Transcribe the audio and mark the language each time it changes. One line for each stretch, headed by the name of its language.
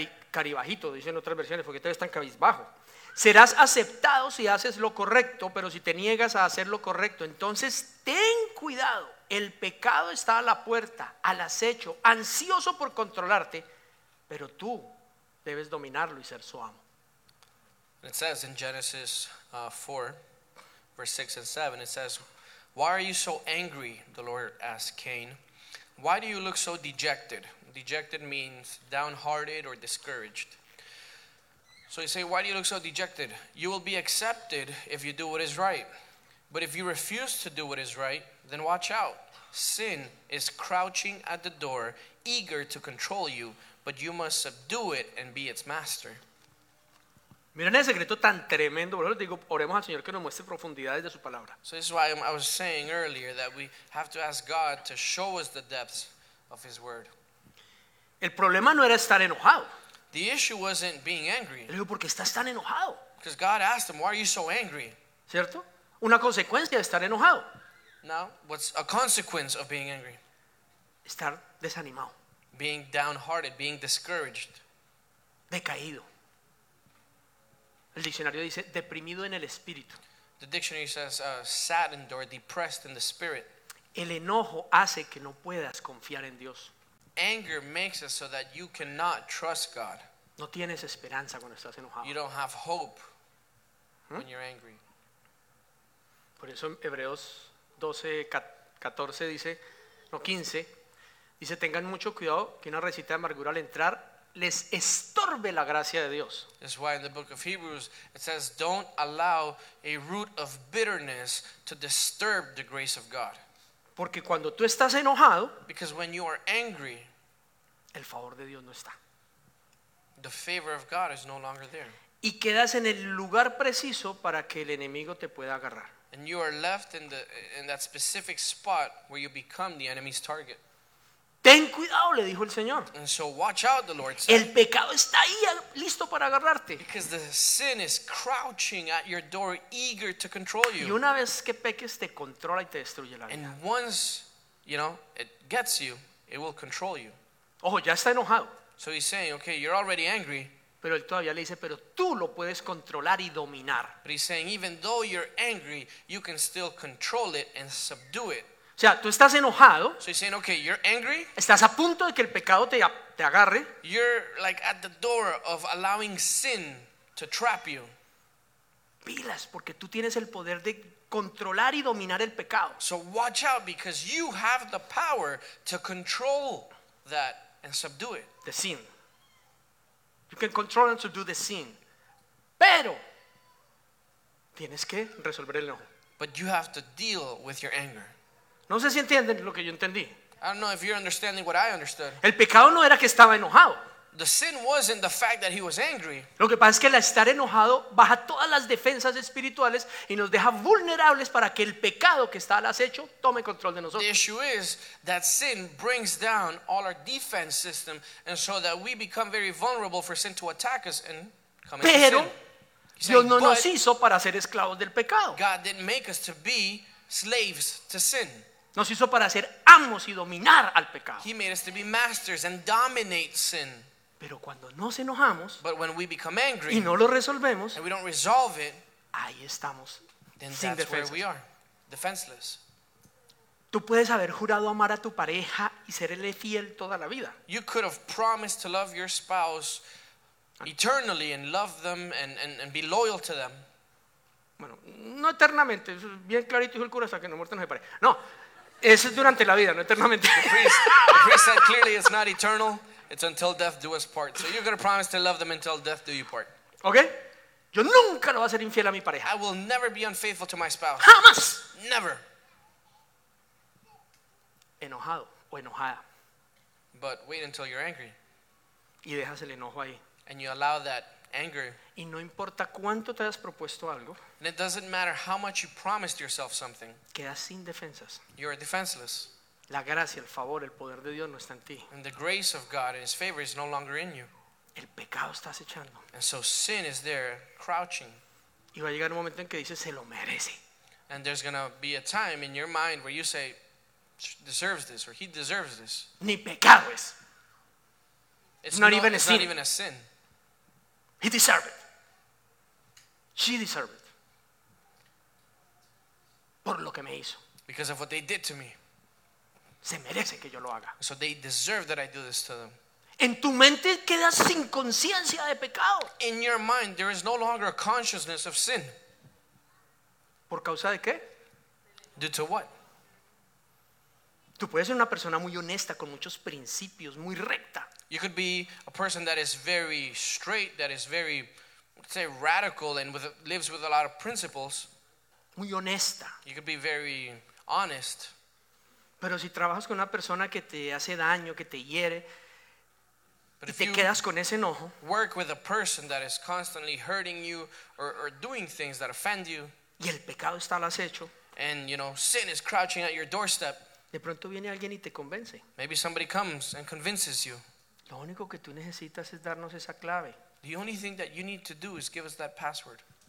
Spanish: Caribajito, dicen otras versiones, ¿por qué te ves tan cabizbajo? Serás aceptado si haces lo correcto, pero si te niegas a hacer lo correcto, entonces ten cuidado. El pecado está a la puerta, al acecho, ansioso por controlarte, pero tú debes dominarlo y ser su amo.
English: It says in Genesis 4, verse 6 and 7, it says, "Why are you so angry?" the Lord asked Cain. "Why do you look so dejected?" Dejected means downhearted or discouraged. So you say, "Why do you look so dejected? You will be accepted if you do what is right. But if you refuse to do what is right, then watch out. Sin is crouching at the door, eager to control you, but you must subdue it and be its master."
Spanish: Miren ese secreto tan tremendo. Por eso les digo, oremos al Señor que nos muestre profundidades de su palabra.
English: So this is why I was saying earlier that we have to ask God to show us the depths of his word.
Spanish: El problema no era estar enojado.
English: The issue wasn't being angry.
Spanish: Le digo, ¿por qué estás tan enojado?
English: Because God asked him, "Why are you so angry?"
Spanish: ¿Cierto? Una consecuencia de estar enojado.
English: Now, what's a consequence of being angry?
Spanish: Estar desanimado.
English: Being downhearted, being discouraged.
Spanish: Decaído. El diccionario dice deprimido en el espíritu.
English: The dictionary says saddened or depressed in the spirit.
Spanish: El enojo hace que no puedas confiar en Dios.
English: Anger makes it so that you cannot trust God.
Spanish: No tienes esperanza cuando estás enojado.
English: You don't have hope when you're angry.
Spanish: Por eso Hebreos 12:14 dice, no 15, dice tengan mucho cuidado que una risita de amargura al entrar les estorbe la gracia de Dios.
English: That's why in the book of Hebrews it says, "Don't allow a root of bitterness to disturb the grace of God."
Spanish: Porque cuando tú estás enojado,
English: because when you are angry,
Spanish: el favor de Dios no está.
English: The favor of God is no longer there.
Spanish: Y quedas en el lugar preciso para que el enemigo te pueda agarrar.
English: And you are left in that specific spot where you become the enemy's target.
Spanish: Ten cuidado, le dijo el Señor.
English: And so watch out, the Lord said.
Spanish: El pecado está ahí, listo para agarrarte.
English: Because the sin is crouching at your door, eager to control you.
Spanish: Y una vez que peques, te controla y te destruye la vida.
English: And once, you know, it gets you, it will control you.
Spanish: Ojo, ya está enojado.
English: So he's saying, okay, you're already angry.
Spanish: Pero él todavía le dice, pero tú lo puedes controlar y dominar.
English: But he's saying, even though you're angry, you can still control it and subdue it.
Spanish: O sea, tú estás enojado.
English: So he's saying, okay, you're angry.
Spanish: Estás a punto de que el pecado te agarre.
English: You're like at the door of allowing sin to trap you.
Spanish: Pilas, porque tú tienes el poder de controlar y dominar el pecado.
English: So watch out, because you have the power to control that and subdue it. The sin. You can control and subdue the sin.
Spanish: Pero tienes que resolver el enojo.
English: But you have to deal with your anger.
Spanish: No sé si entienden lo que yo entendí.
English: I don't know if you're understanding what I understood.
Spanish: El pecado no era que estaba enojado.
English: The sin wasn't the fact that he was angry.
Spanish: Lo que pasa es que el estar enojado baja todas las defensas espirituales y nos deja vulnerables para que el pecado que está al acecho tome control de nosotros.
English: The issue is that sin brings down all our defense system, and so that we become very vulnerable for sin to attack us and come into
Spanish: Pero,
English: sin.
Spanish: Dios no nos hizo para ser esclavos del pecado.
English: God didn't make us to be slaves to sin.
Spanish: Nos hizo para ser amos y dominar al pecado.
English: He made us to be masters and dominate sin.
Spanish: Pero cuando nos enojamos,
English: but when we become angry,
Spanish: y no lo resolvemos,
English: and we don't resolve it,
Spanish: ahí estamos,
English: then
Spanish: sin
English: that's
Spanish: defensas.
English: Where we are, defenseless.
Spanish: Tú puedes haber jurado amar a tu pareja y serle fiel toda la vida.
English: You could have promised to love your spouse eternally and love them and be loyal to them.
Spanish: Bueno, no eternamente, eso es bien clarito dijo el cura, hasta que no muerte nos separe. No, eso es durante la vida, no eternamente.
English: The priest said clearly it's not eternal, it's until death do us part. So you're going to promise to love them until death do you part. Okay?
Spanish: Yo nunca lo voy a ser infiel a mi pareja.
English: I will never be unfaithful to my spouse.
Spanish: Jamás.
English: Never.
Spanish: Enojado o enojada.
English: But wait until you're angry.
Spanish: Y dejas el enojo ahí.
English: And you allow that anger.
Spanish: Y no importa cuánto te has propuesto algo.
English: And it doesn't matter how much you promised yourself something.
Spanish: Quedas sin defensas.
English: You're defenseless.
Spanish: La gracia, el favor, el poder de Dios no está en ti.
English: And the grace of God and his favor is no longer in you.
Spanish: El pecado está acechando.
English: And so sin is there crouching.
Spanish: Y va a llegar un momento en que dices, se lo merece.
English: And there's going to be a time in your mind where you say, deserves this, or he deserves this.
Spanish: Ni pecado es.
English: It's not, even, it's a not even a sin. He deserved it. She deserved it.
Spanish: Por lo que me hizo.
English: Because of what they did to me.
Spanish: Se merece que yo lo haga.
English: So they deserve that I do this to them.
Spanish: En tu mente quedas sin conciencia de pecado.
English: In your mind there is no longer a consciousness of sin.
Spanish: ¿Por causa de qué?
English: Due to what?
Spanish: Tú puedes ser una persona muy honesta con muchos principios, muy recta.
English: You could be a person that is very straight, that is very, let's say, radical and lives with a lot of principles.
Spanish: Muy honesta.
English: You could be very honest.
Spanish: Pero si trabajas con una persona que te hace daño, que te hiere, y te quedas con ese enojo,
English: work with a person that is constantly hurting you or doing things that offend you,
Spanish: y el pecado está al acecho,
English: and you know sin is crouching at your doorstep,
Spanish: de pronto viene alguien y te convence.
English: Maybe somebody comes and convinces you.
Spanish: Lo único que tú necesitas es darnos esa clave.
English: The only thing that you need to do is give us that password.